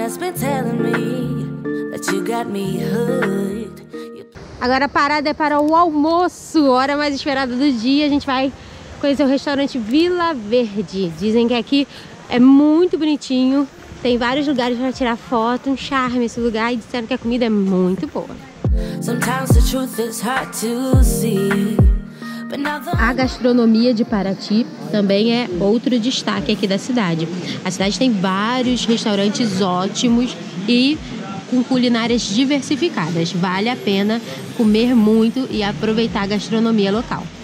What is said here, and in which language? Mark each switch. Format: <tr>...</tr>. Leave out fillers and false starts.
<en>has been telling me that you got me hooked.</en> <pt>Agora a parada é para o almoço, hora mais esperada do dia. A gente vai conhecer o restaurante Vila Verde. Dizem que aqui é muito bonitinho, tem vários lugares para tirar foto, um charme esse lugar, e disseram que a comida é muito boa.</pt> <en>Sometimes the truth is hard to see.</en> <pt>A gastronomia de Paraty também é outro destaque aqui da cidade. A cidade tem vários restaurantes ótimos e com culinárias diversificadas. Vale a pena comer muito e aproveitar a gastronomia local.</pt>